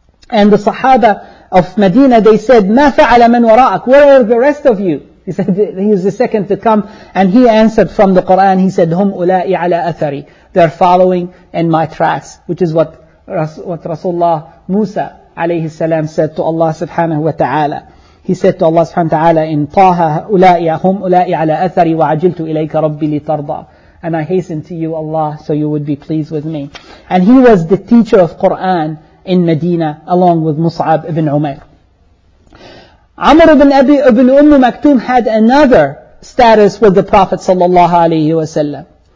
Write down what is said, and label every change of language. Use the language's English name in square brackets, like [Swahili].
[English] And the Sahaba of Medina, they said, [Arabic] مَا فَعَلَ مَنْ وَرَاءَكَ. [English] Where are the rest of you? He said, he was the second to come. And he answered from the Quran, he said, [Arabic] هُمْ أُولَاءِ عَلَىٰ أَثَرِي. [English] They're following in my tracks. Which is what Rasulullah Musa alayhi salam said to Allah subhanahu wa ta'ala. He said to Allah subhanahu wa ta'ala, [Arabic] إِنْ طَاهَ أُولَاءِ هُمْ أُولَاءِ عَلَىٰ أَثَرِي وَعَجِلْتُ إِلَيْكَ رَبِّي لِتَرْضَى. [English] And I hasten to you, Allah, so you would be pleased with me. And he was the teacher of Quran in Medina, along with Mus'ab ibn Umayr. Amr ibn Abi ibn Maktum had another status with the Prophet sallallahu alayhi wa sallam.